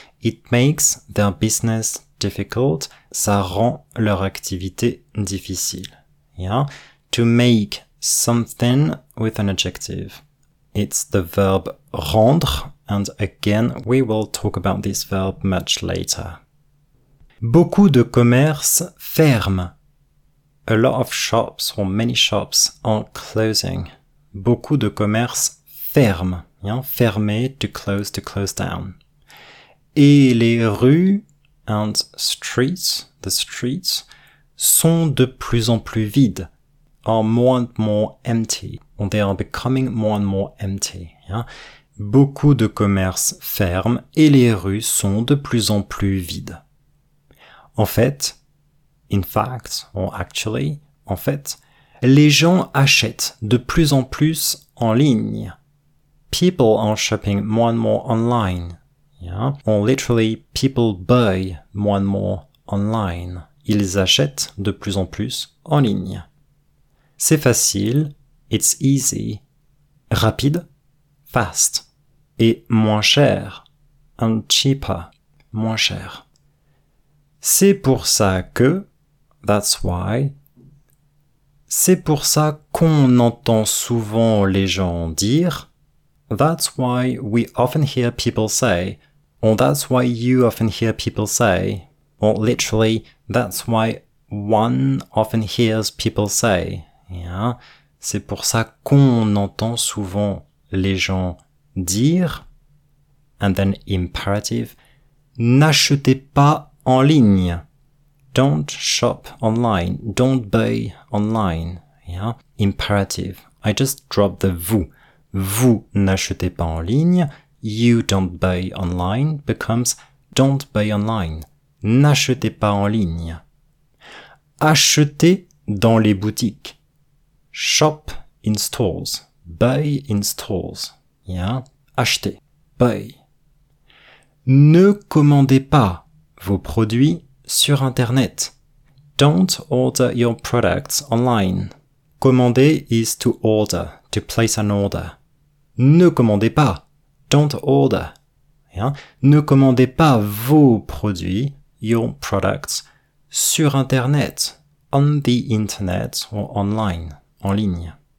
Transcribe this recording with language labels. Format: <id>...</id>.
<en>It makes their business difficult.</en> <fr>Ça rend leur activité difficile.</fr> <en>Yeah? To make something with an adjective. It's the verb rendre, and again, we will talk about this verb much later.</en> <fr>Beaucoup de commerces ferment.</fr> <en>A lot of shops or many shops are closing.</en> <fr>Beaucoup de commerces ferment. Yeah? Fermer,</fr> <en>to close down.</en> <fr>Et les rues</fr> <en>and streets, the streets,</en> <fr>sont de plus en plus vides.</fr> <en>Are more and more empty. They are becoming more and more empty. Yeah?</en> <fr>Beaucoup de commerces ferment et les rues sont de plus en plus vides. En fait,</fr> <en>in fact, or actually,</en> <fr>en fait, les gens achètent de plus en plus en ligne.</fr> <en>People are shopping more and more online. Yeah? Or literally, people buy more and more online.</en> <fr>Ils achètent de plus en plus en ligne. C'est facile, it's easy, rapide, fast, et moins cher,</fr> <en>and cheaper,</en> <fr>moins cher. C'est pour ça que,</fr> <en>that's why,</en> <fr>c'est pour ça qu'on entend souvent les gens dire,</fr> <en>that's why we often hear people say, or that's why you often hear people say, or literally, that's why one often hears people say, yeah.</en> <fr>C'est pour ça qu'on entend souvent les gens dire,</fr> <en>and then imperative,</en> <fr>n'achetez pas en ligne.</fr> <en>Don't shop online. Don't buy online. Yeah. Imperative. I just dropped the vous.</en> <fr>Vous n'achetez pas en ligne.</fr> <en>You don't buy online becomes don't buy online.</en> <fr>N'achetez pas en ligne. Achetez dans les boutiques.</fr> <en>Shop in stores. Buy in stores. Yeah. Acheter. Buy.</en> <fr>Ne commandez pas vos produits sur Internet.</fr> <en>Don't order your products online. Commander is to order, to place an order.</en> <fr>Ne commandez pas.</fr> <en>Don't order. Yeah.</en> <fr>Ne commandez pas vos produits, your products, sur Internet,</fr> <en>on the Internet or online.</en> <fr>En ligne.</fr>